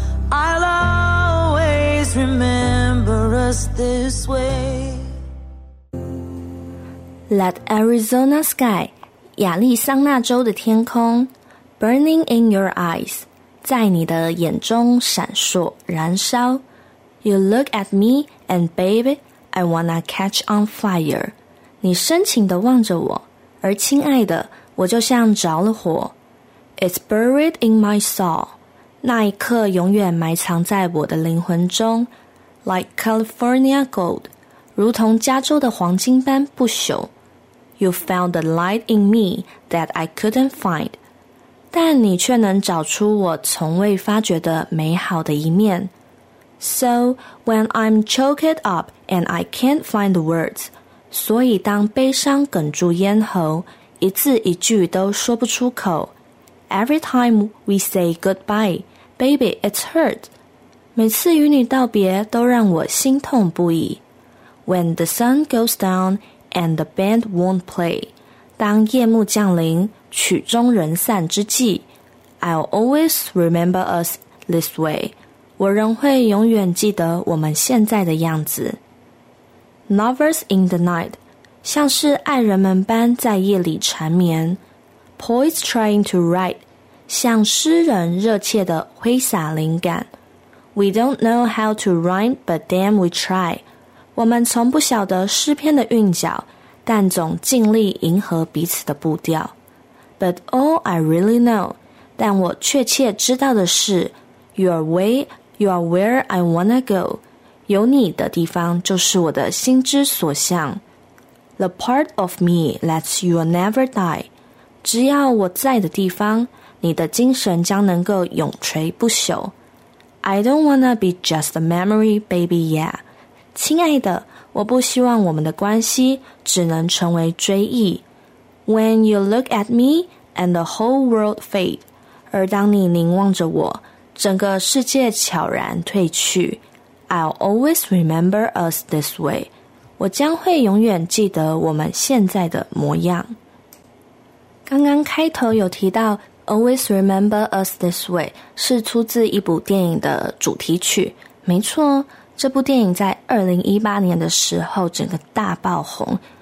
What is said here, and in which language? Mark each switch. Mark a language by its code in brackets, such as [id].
[en] always remember us this way. Let Arizona sky, [zh] 亚利桑那州的天空 [en] burning in your eyes, [zh] 在你的眼中闪烁燃烧。 [en] You look at me and baby, I wanna catch on fire. [zh] 你深情地望着我，而亲爱的，我就像着了火。 [en] It's buried in my soul. [zh] 那一刻永远埋藏在我的灵魂中。 [en] Like California gold, [zh] 如同加州的黄金般不朽。 [en] You found the light in me that I couldn't find. [zh] 但你却能找出我从未发觉的美好的一面。 [en] So, when I'm choked up and I can't find the words, [zh] 所以当悲伤哽住咽喉，一字一句都说不出口。 [en] Every time we say goodbye, baby, it's hurt. [zh] 每次与你道别都让我心痛不已。 [en] When the sun goes down and the band won't play, [zh] 当夜幕降临，曲终人散之际， [en] I'll always remember us this way. [zh] 我仍会永远记得我们现在的样子。 [en] Lovers in the night, [zh] 像是爱人们般在夜里缠绵。 [en] Poets trying to write, [zh] 像诗人热切地挥洒灵感。 [en] We don't know how to rhyme, but damn we try. [zh] 我们从不晓得诗篇的韵脚，但总尽力迎合彼此的步调。 [en] But all I really know, [zh] 但我确切知道的是 [en] Your way, you are where I wanna go. [zh] 有你的地方就是我的心之所向。 [en] The part of me that you'll never die. [zh] 只要我在的地方，你的精神将能够永垂不朽。 [en] I don't wanna be just a memory, baby, yeah. [zh] 亲爱的，我不希望我们的关系只能成为追忆。 [en] When you look at me and the whole world fade. [zh] 而当你凝望着我，整个世界悄然退去。 [en] I'll always remember us this way. [zh] 我将会永远记得我们现在的模样。刚刚开头有提到 [en] Always remember us this way [zh] 是出自一部电影的主题曲。没错，这部电影在2018年的时候整个大爆红。